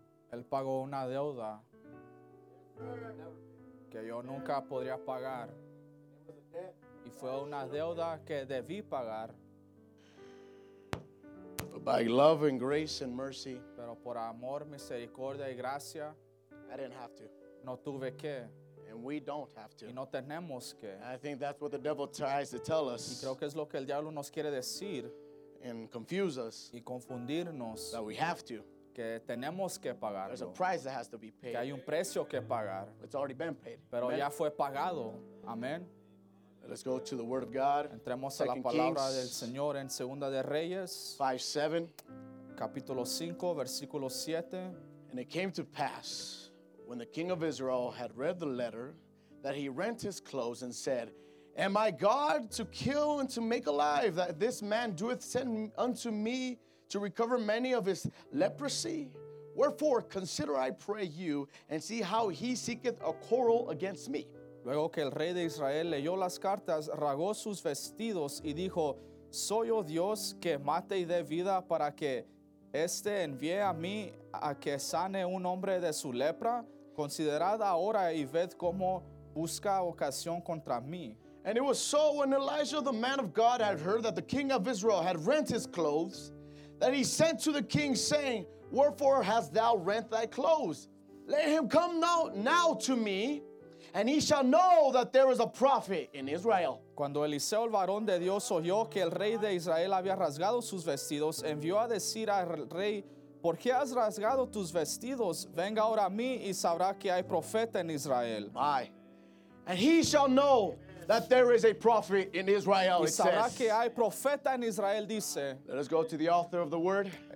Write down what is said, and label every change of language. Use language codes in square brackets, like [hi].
[es] Él pagó una deuda que yo nunca podría pagar. Y fue una deuda que debí pagar. [en] By love and grace and mercy, [es] pero por amor, misericordia y gracia, [en] I didn't have to. [es] No tuve que. [en] And we don't have to. [es] Y no tenemos que. [en] I think that's what the devil tries to tell us. [es] Y creo que es lo que el diablo nos quiere decir. [en] And confuse us. [es] Y confundirnos. [en] That we have to. [es] Que tenemos que pagar. [en] There's a price that has to be paid. [es] Que hay un precio que pagar. It's already been paid. Pero amen. Ya fue pagado. Amén. [en] Let's go to the word of God. [es] Entremos a la palabra del Señor en Segunda de Reyes. [en] 5:7. [es] Capítulo 5, versículo 7. [en] And it came to pass, when the king of Israel had read the letter, that he rent his clothes and said, am I God to kill and to make alive, that this man doeth send unto me to recover many of his leprosy? Wherefore, consider, I pray you, and see how he seeketh a quarrel against me. [es] Luego que el rey de Israel leyó las cartas, rasgó sus vestidos y dijo, soy yo Dios que mate y dé vida para que este envíe a mí a que sane un hombre de su lepra? Considerad ahora y ved cómo busca ocasión contra mí. [en] And it was so when Elijah, the man of God, had heard that the king of Israel had rent his clothes, that he sent to the king, saying, wherefore hast thou rent thy clothes? Let him come now to me, and he shall know that there is a prophet in Israel. [es] Cuando Eliseo, el varón de Dios, oyó que el rey de Israel había rasgado sus vestidos, envió a decir al rey, ¿por qué has rasgado tus vestidos? Venga ahora a mí, y sabrá que hay profeta en Israel. Ay. [en] And he shall know that there is a prophet in Israel, it [es] sabrá [en] says. [es] Que hay profeta en Israel, dice. [en] Let us go to the author of the word.